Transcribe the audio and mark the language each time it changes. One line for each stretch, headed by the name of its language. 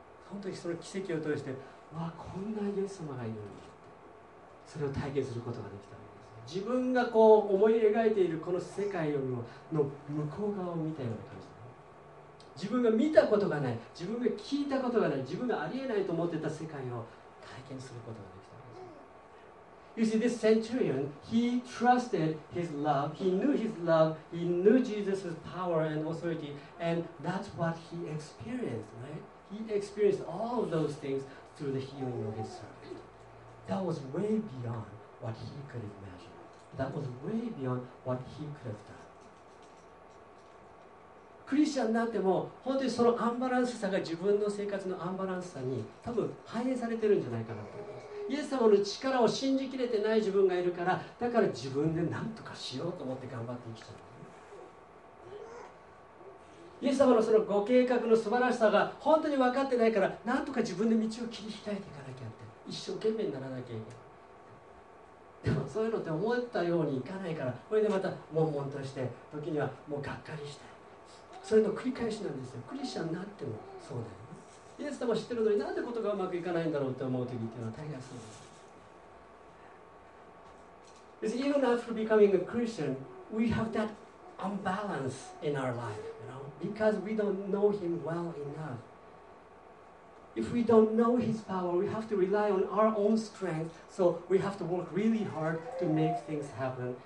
Japanese: 本当にその奇跡を通して、わあ、こんなイエス様がいるんだって、それを体験することができたんです。自分がこう思い描いているこの世界よりもの向こう側を見たような感じだ。自分が見たことがない、自分が聞いたことがない、自分がありえないと思ってた世界を体験することができたんです。
English: You see, this centurion, he trusted his love, he knew his love, he knew Jesus' power and authority, and that's what he experienced, right? He experienced all of those things through the healing of his servant. That was way beyond what he could imagine. That was way beyond what he could have done.
Japanese: クリスチャンになっても、本当にそのアンバランスさが自分の生活のアンバランスさに多分反映されてるんじゃないかなと思います。イエス様の力を信じきれてない自分がいるから、だから自分で何とかしようと思って頑張って生きちゃう。イエス様のそのご計画の素晴らしさが本当に分かってないから、なんとか自分で道を切り開いていかなきゃって一生懸命にならなきゃいけない。でもそういうのって思ったようにいかないから、これでまた悶々として、時にはもうがっかりして、それの繰り返しなんですよ。クリスチャンになってもそうだよね。イエス様知ってるのに、なんでことがうまくいかないんだろうって思う時っていうのは大概そうです。
English: Even after becoming a Christian, we have that unbalance in our lifeBecause we don't know Him well enough. If we don't know His power, we have to rely on our own strength. So we have to work really hard to make things happen.